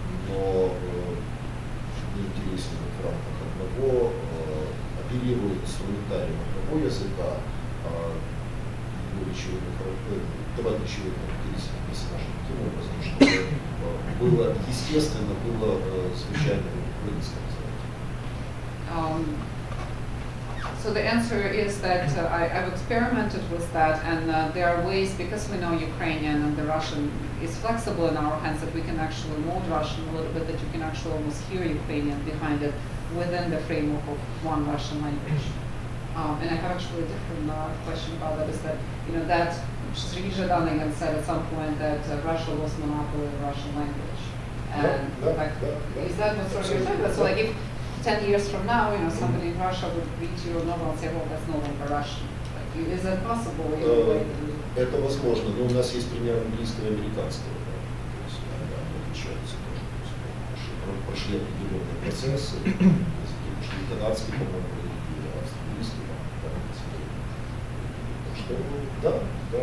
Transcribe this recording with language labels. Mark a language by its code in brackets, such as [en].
[ru] Но мне интересно, в рамках одного оперирует инструментарием одного языка, речевые характеристики персонажа таким образом, чтобы было естественно, было звучание украинского языка. [en] So the answer is that I've experimented with that, and there are ways, because we know Ukrainian and the Russian is flexible in our hands, that we can actually mold Russian a little bit, that you can actually almost hear Ukrainian behind it within the framework of one Russian language. And I have actually a different question about that, is that, you know, that Srijadan again said at some point that Russia was monopoly of Russian language. And is that what sort of you're talking about? So like, if 10 years from now, you know, somebody in Russia would read your novel and say, well, that's no longer Russian. Like, is that possible? [ru] Это возможно, но у нас есть пример английского и американского, да, то есть, да, отличаются тоже, то есть, прошли определенные процессы, языки ушли, канадский, по-моему, и австралийский, да, так что, да, да,